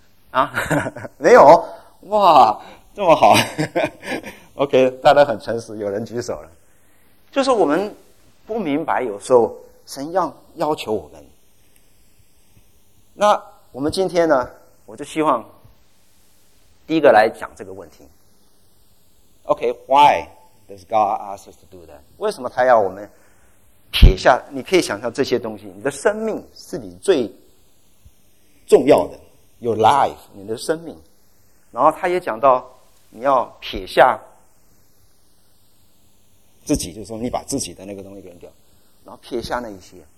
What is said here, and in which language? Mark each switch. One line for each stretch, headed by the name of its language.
Chinese: 啊，没有，哇，这么好，OK， 大家很诚实，有人举手了。就是我们不明白，有时候神要求我们。那我们今天呢，我就希望第一个来讲这个问题。
English: OK，Why does God ask us to do that？
Chinese: 为什么他要我们撇下？你可以想象这些东西，你的生命是你最重要的。
English: Your life，
Chinese: 你的生命，然后他也讲到你要撇下自己，就是说你把自己的那个东西扔掉，然后撇下那一些。